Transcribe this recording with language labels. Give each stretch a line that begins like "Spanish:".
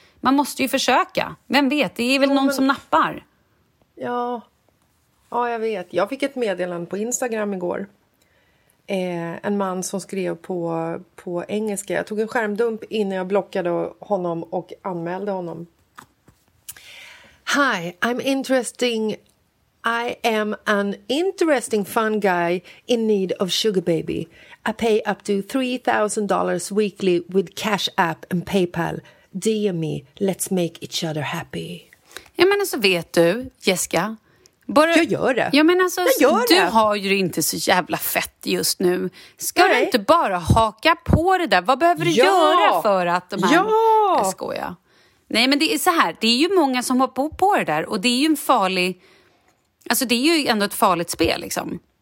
Swedish: Man måste ju försöka. Vem vet? Det är väl någon som nappar. Ja, jag vet. Jag fick ett meddelande på Instagram igår. En man som skrev på engelska. Jag tog en skärmdump innan jag blockade honom och anmälde honom.
English: Hi, I'm interesting. I am an interesting fun guy in need of sugar baby. I pay up to $3,000 weekly with Cash App and PayPal. DM me, let's make each other happy.
Swedish: Ja, men så vet du, Jessica. Bara, jag gör det. Ja, men alltså, har ju inte så jävla fett just nu. Ska du inte bara haka på det där? Vad behöver du göra för att de här... Ja! Jag skojar. Nej, men det är så här. Det är ju många som har på det där. Och det är ju en farlig... Alltså, det är ju ändå ett farligt spel, liksom.